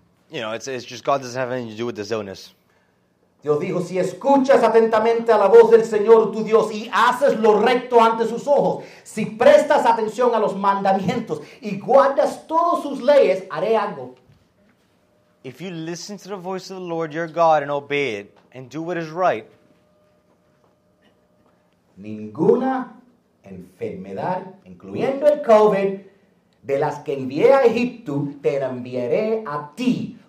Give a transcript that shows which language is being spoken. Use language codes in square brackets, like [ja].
[en] You know, it's just God doesn't have anything to do with this illness. [es] Dios dijo, si escuchas atentamente a la voz del Señor tu Dios y haces lo recto ante sus ojos, si prestas atención a los mandamientos y guardas todas sus leyes, haré algo. [en] If you listen to the voice of the Lord your God and obey it and do what is right, [es] ninguna enfermedad, incluyendo el COVID, de las que envié a Egipto, te enviaré a ti.